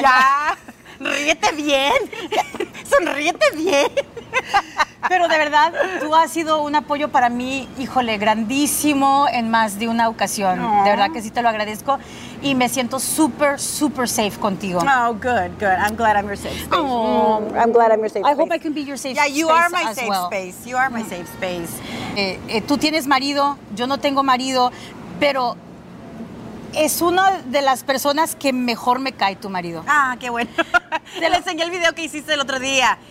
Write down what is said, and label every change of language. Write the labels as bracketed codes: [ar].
[es] ya. Ríete bien, sonríete bien. Pero de verdad, tú has sido un apoyo para mí, híjole, grandísimo en más de una ocasión. Aww. De verdad que sí te lo agradezco y me siento súper, súper safe contigo. [en] Oh, good, good. I'm glad I'm your safe space. I'm glad I'm your safe space. I hope I can be your safe space. Yeah, you are my safe space. You are my safe space. [es] Tú tienes marido, yo no tengo marido, pero... Es una de las personas que mejor me cae tu marido. Ah, qué bueno. Te le enseñé el video que hiciste el otro día.